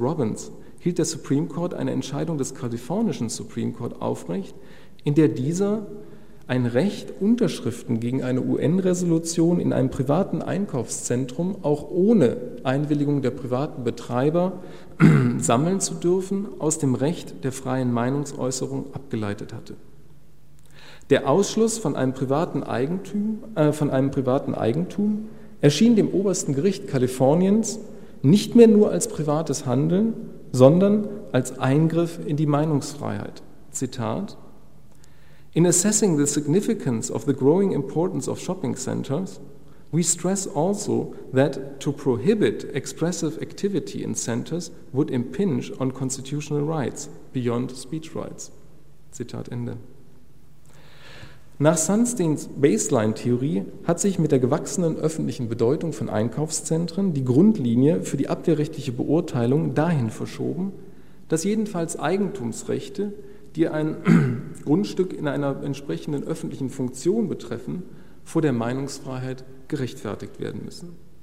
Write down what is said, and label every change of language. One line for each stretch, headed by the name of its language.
German: Robbins hielt der Supreme Court eine Entscheidung des kalifornischen Supreme Court aufrecht, in der dieser ein Recht, Unterschriften gegen eine UN-Resolution in einem privaten Einkaufszentrum auch ohne Einwilligung der privaten Betreiber sammeln zu dürfen, aus dem Recht der freien Meinungsäußerung abgeleitet hatte. Der Ausschluss von einem privaten Eigentum erschien dem obersten Gericht Kaliforniens nicht mehr nur als privates Handeln, sondern als Eingriff in die Meinungsfreiheit.
English: Zitat: In assessing the significance of the growing importance of shopping centers, we stress also that to prohibit expressive activity in centers would impinge on constitutional rights beyond speech rights.
German: Zitat Ende. Nach Sunsteins Baseline-Theorie hat sich mit der gewachsenen öffentlichen Bedeutung von Einkaufszentren die Grundlinie für die abwehrrechtliche Beurteilung dahin verschoben, dass jedenfalls Eigentumsrechte, die ein Grundstück in einer entsprechenden öffentlichen Funktion betreffen, vor der Meinungsfreiheit gerechtfertigt werden müssen.